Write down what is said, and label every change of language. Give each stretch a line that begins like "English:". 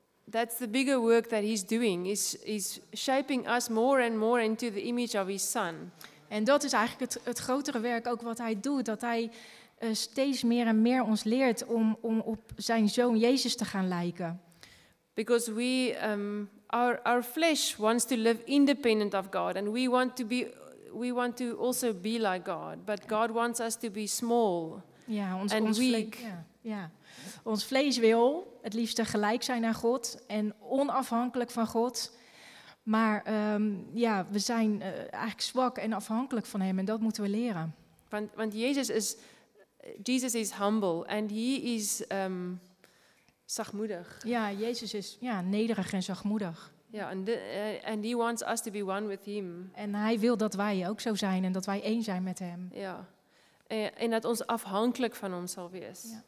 English: That's the bigger work that he's doing, is shaping us more and more into the image of his son.
Dutch: En dat is eigenlijk het grotere werk ook wat hij doet, dat hij steeds meer en meer ons leert om op zijn zoon Jezus te gaan lijken.
English: Because we our flesh wants to live independent of God and we want to also be like God, but God wants us to be small.
Dutch: Ja, ons
English: weak.
Dutch: Ons vlees wil het liefst gelijk zijn aan God en onafhankelijk van God. Maar we zijn eigenlijk zwak en afhankelijk van hem en dat moeten we leren. Want Jezus is
English: humble
Dutch: en hij is zachtmoedig. Ja, Jezus is nederig en zachtmoedig.
English: Ja, and he wants us to be one with him.
Dutch: En hij wil dat wij ook zo zijn en dat wij één zijn met hem. Ja, en dat ons afhankelijk van hem zal wees.